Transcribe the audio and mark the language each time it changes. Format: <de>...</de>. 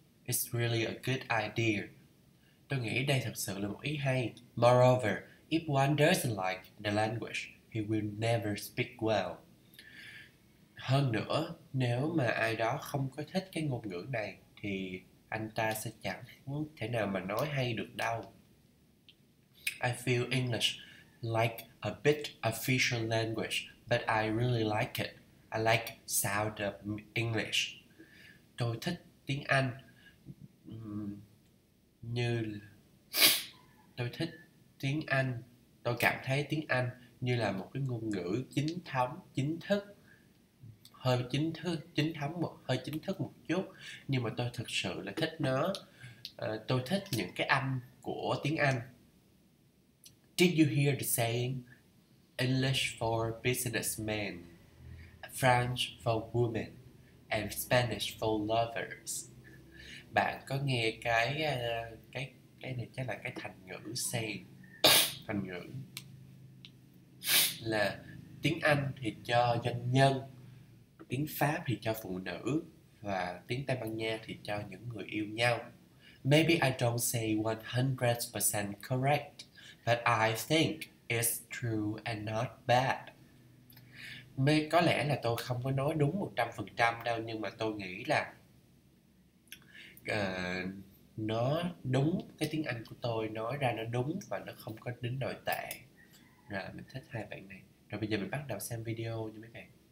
<en>It's really a good idea.</en> <vi>Tôi nghĩ đây thật sự là một ý hay.</vi> <en>Moreover, if one doesn't like the language, he will never speak well.</en> <vi>Hơn nữa, nếu mà ai đó không có thích cái ngôn ngữ này thì anh ta sẽ chẳng thể nào mà nói hay được đâu.</vi> <en>I feel English like a bit official language, but I really like it. I like sound of English.</en> <vi>Tôi thích tiếng Anh như tôi thích tiếng Anh. Tôi cảm thấy tiếng Anh như là một cái ngôn ngữ chính thống, chính thức. Hơi chính thức, chính thống một, hơi chính thức một chút, nhưng mà tôi thực sự là thích nó. Tôi thích những cái âm của tiếng Anh.</vi> <en>Did you hear the saying English for businessmen, French for women, and Spanish for lovers?</en> <vi>Bạn có nghe cái này chắc là cái thành ngữ saying, thành ngữ là tiếng Anh thì cho doanh nhân, tiếng Pháp thì cho phụ nữ, và tiếng Tây Ban Nha thì cho những người yêu nhau.</vi> <en>Maybe I don't say 100% correct, but I think it's true and not bad.</en> <vi>Mê, có lẽ là tôi không có nói đúng 100% đâu, nhưng mà tôi nghĩ là nó đúng, cái tiếng Anh của tôi nói ra nó đúng và nó không có đến nỗi tệ. Rồi mình thích hai bạn này. Rồi bây giờ mình bắt đầu xem video nha mấy bạn.</vi>